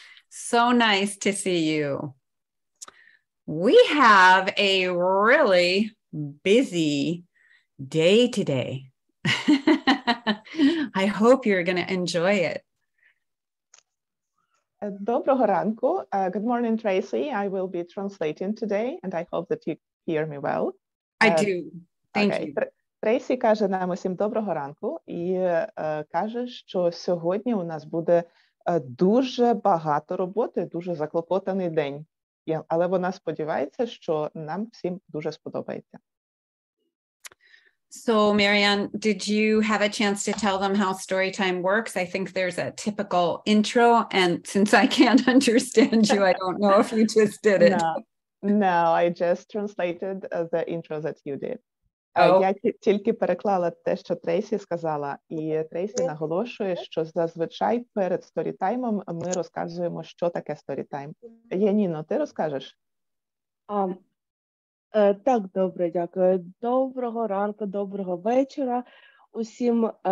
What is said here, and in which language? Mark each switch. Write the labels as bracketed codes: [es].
[en] So nice to see you. We have a really busy day today. I hope you're going to enjoy it. [uk] Доброго ранку. [en] Good morning, Tracy. I will be translating today, and I hope that you hear me well. I do. Thank you. [uk] Tracy каже нам усім доброго ранку і каже, що сьогодні у нас буде дуже багато роботи, дуже заклопотаний день. Але вона сподівається, що нам всім дуже сподобається. [en] So, Marianne, did you have a chance to tell them how Storytime works? I think there's a typical intro, and since I can't understand you, I don't know if you just did it. No, I just translated the intro that you did. Oh. [uk] Я тільки переклала те, що Трейсі сказала, і Трейсі наголошує, що зазвичай перед Storytime'ом ми розказуємо, що таке Storytime. Яніно, ти розкажеш? Так, добре, дякую. Доброго ранку, доброго вечора усім.